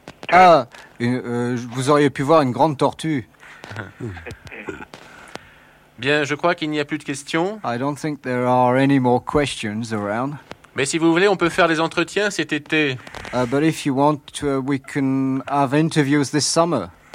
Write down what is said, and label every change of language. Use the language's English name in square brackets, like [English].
[French] Ah, vous auriez pu voir une grande tortue. Bien, je crois qu'il n'y a plus de questions. [English] I don't think there are any more questions around. [French] Mais si vous voulez, on peut faire les entretiens cet été. [English] But if you want, we can have interviews this summer.